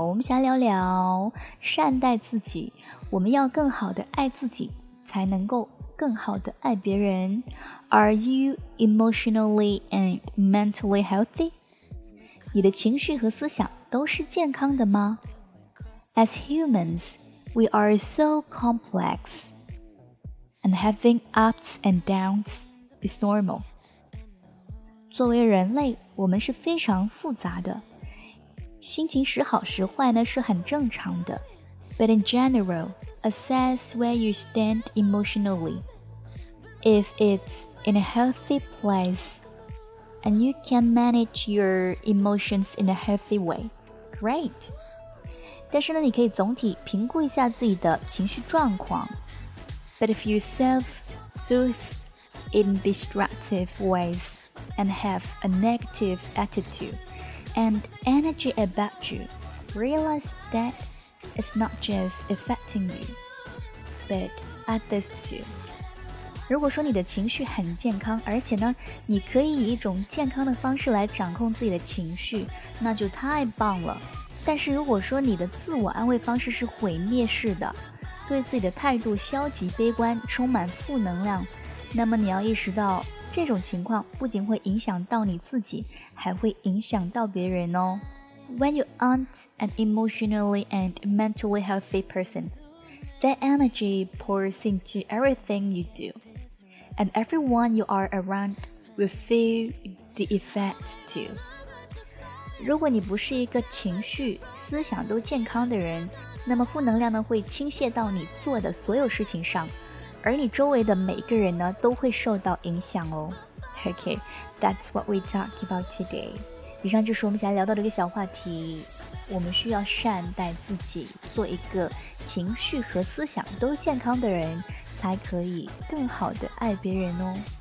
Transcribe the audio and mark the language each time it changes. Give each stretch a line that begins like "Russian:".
Chinese: 我们想聊聊善待自己，我们要更好的爱自己才能够更好的爱别人。
English: Are you emotionally and mentally healthy?
Chinese: 你的情绪和思想都是健康的吗？
English: As humans, we are so complex, and having ups and downs is normal.
Chinese: 作为人类，我们是非常复杂的，心情时好时坏呢是很正常的。
English: But in general, assess where you stand emotionally. If it's in a healthy place, and you can manage your emotions in a healthy way, great.
Chinese: 但是呢，你可以总体评估一下自己的情绪状况。
English: But if you self-soothe in destructive ways,and have a negative attitude and energy about you, realize that it's not just affecting you, but others too.
Chinese: 如果说你的情绪很健康，而且呢，你可以以一种健康的方式来掌控自己的情绪，那就太棒了。但是如果说你的自我安慰方式是毁灭式的，对自己的态度消极悲观，充满负能量，那么你要意识到这种情况不仅会影响到你自己，还会影响到别人哦。
English: When you aren't an emotionally and mentally healthy person, that energy pours into everything you do, and everyone you are around will feel the effects too.
Chinese: 如果你不是一个情绪、思想都健康的人，那么负能量呢会倾泻到你做的所有事情上。而你周围的每个人呢都会受到影响哦。
English: Okay, that's what we talk about today.
Chinese: 以上就是我们想聊到的一个小话题，我们需要善待自己，做一个情绪和思想都健康的人，才可以更好的爱别人哦。